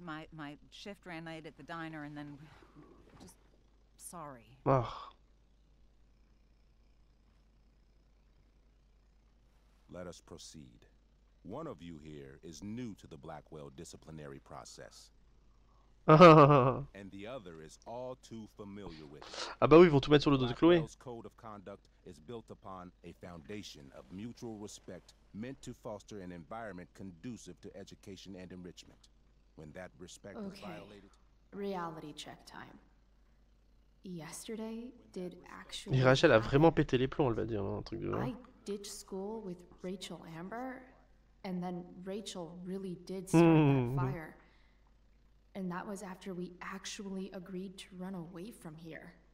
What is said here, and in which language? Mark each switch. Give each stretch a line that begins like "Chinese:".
English: My shift ran late at the diner and then just sorry. Oh. Let us proceed. One of you here is new to the Blackwell disciplinary process. And the other is all too familiar with
French: it. Ah bah oui, ils vont tout mettre sur le dos de Chloé.
English: Blackwell's code of conduct is built upon a foundation of mutual respect meant to foster an environment conducive to education and enrichment. When that respect is violated, reality check time. Yesterday did actually.
French: Et Rachel a vraiment pété les plombs, elle va dire un truc de genre.
English: I ditched school with Rachel Amber, and then Rachel really did start that fire. And that was after we actually agreed to run away from here.